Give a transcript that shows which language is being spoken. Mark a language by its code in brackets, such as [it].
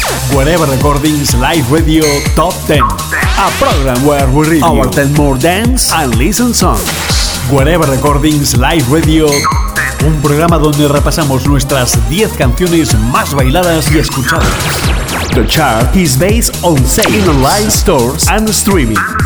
[en] Guareber Recordings Live Radio Top 10. A program where we review our 10 more dance and listen songs. Guareber Recordings Live Radio Top 10. [es] Un programa donde repasamos nuestras 10 canciones más bailadas y escuchadas. [en] The chart is based on sales in online stores and streaming.